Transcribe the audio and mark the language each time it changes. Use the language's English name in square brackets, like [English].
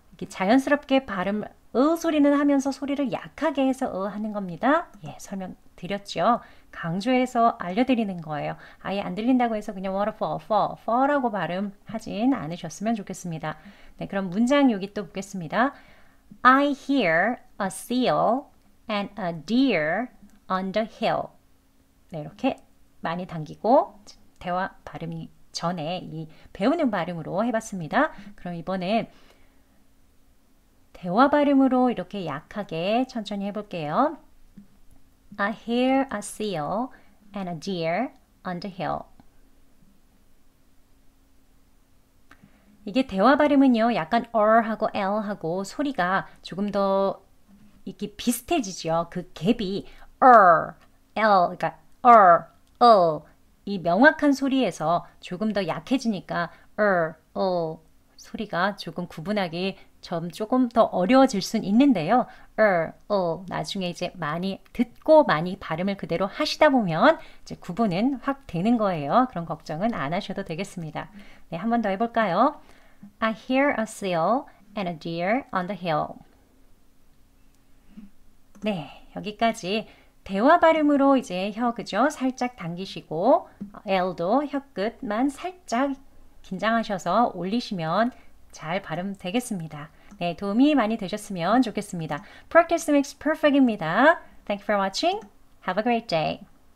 [Korean] 자연스럽게 발음, 어 소리는 하면서 소리를 약하게 해서 어 하는 겁니다. 예, 설명드렸죠. 강조해서 알려드리는 거예요. 아예 안 들린다고 해서 그냥 waterfall, fall, fall라고 발음하진 않으셨으면 좋겠습니다. 네, 그럼 문장 여기 또 보겠습니다. [English] I hear a seal and a deer on the hill. [Korean] 네, 이렇게 많이 당기고 대화 발음이 전에 이 배우는 발음으로 해봤습니다. 그럼 이번엔 대화 발음으로 이렇게 약하게 천천히 해볼게요. [English] I hear a seal and a deer on the hill. [Korean] 이게 대화 발음은요. 약간 R하고 L하고 소리가 조금 더 이렇게 비슷해지죠. 그 갭이 R, L, 그러니까 R, L 이 명확한 소리에서 조금 더 약해지니까 R, L 소리가 조금 구분하기 좀 조금 더 어려워질 순 있는데요. 나중에 이제 많이 듣고 많이 발음을 그대로 하시다 보면 이제 구분은 확 되는 거예요. 그런 걱정은 안 하셔도 되겠습니다. 네, 한 번 더 해볼까요? [English] I hear a seal and a deer on the hill. [Korean] 네, 여기까지 대화 발음으로 이제 혀 그죠? 살짝 당기시고 L도 혀 끝만 살짝 긴장하셔서 올리시면 잘 발음 되겠습니다. 네, 도움이 많이 되셨으면 좋겠습니다. [English] Practice makes perfect입니다. Thank you for watching. Have a great day.